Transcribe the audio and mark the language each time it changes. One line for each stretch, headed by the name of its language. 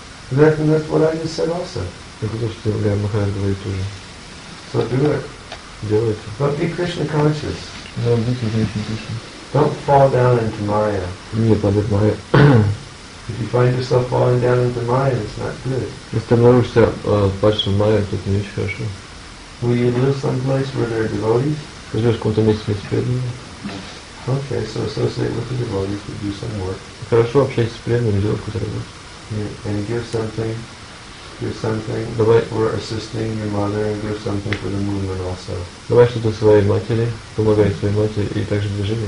English: That's what I just said also.
Russian: Это что Лея Махарадж говорит тоже.
English: So do it.
Russian: Делай это.
English: But be Krishna conscious.
Russian: Но будьте Кришна Кришна.
English: Don't fall down into Maya.
Russian: Не падать в Майя.
English: If you find yourself falling down into Maya, it's not good.
Russian: Если ты обнаружишься падшим в Майя, то это не очень хорошо.
English: Will you live someplace where there are devotees?
Russian: Живешь в каком-то месте, где есть преданные.
English: Okay, so associate with the devotees to do some work.
Russian: Хорошо общайся с преданными, делай какую-то работу.
English: And give something
Russian: давай,
English: for assisting your mother, and give something for the movement also.
Russian: Давай что-то своей матери, помогай своей матери и также движению.